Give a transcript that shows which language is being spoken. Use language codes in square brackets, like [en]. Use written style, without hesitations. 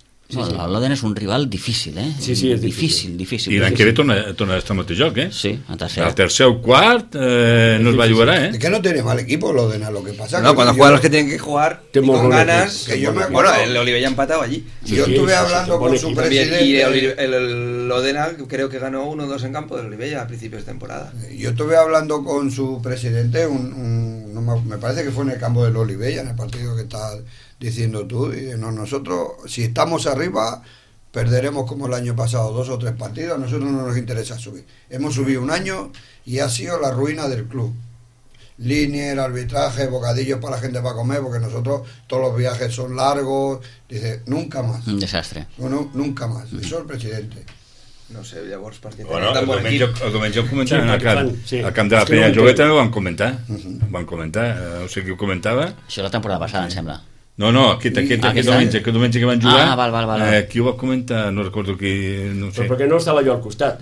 [ca] L'Òdena és un rival difícil, eh? Sí, sí, és difícil. Difícil. I l'any que ve torna a estar al mateix joc, eh? Sí, a tercer. El tercer o quart no es va jugar, eh? [es] Que no tiene mal equipo l'Òdena, lo que pasa. No, cuando juegan los que tienen que jugar, y con ganas, que yo me acuerdo. Bueno, l'Olivella ha empatado allí. Yo estuve hablando con su presidente. Y l'Òdena creo que ganó 1-2 en campo de l'Olivella a principios de temporada. Yo estuve hablando con su presidente, me parece que fue en el campo de l'Olivella, en el partido que está diciendo tú, y no, nosotros, si estamos arriba, perderemos como el año pasado dos o tres partidos, a nosotros no nos interesa subir. Hemos subido un año y ha sido la ruina del club. Línea, arbitraje, bocadillos para la gente para comer, porque nosotros todos los viajes son largos, dice, nunca más. Un desastre. Bueno, nunca más, eso el presidente. [ca] No sé, llavors, perquè... Bueno, el domenatge ho comentàvem al camp de la Penya Jove, també ho van comentar, no sé qui ho comentava. Això la temporada passada, em sembla. No, aquest domenatge que van jugar. Ah, val. Qui ho va comentar? No recordo qui, no sé. Però perquè no estava jo al costat.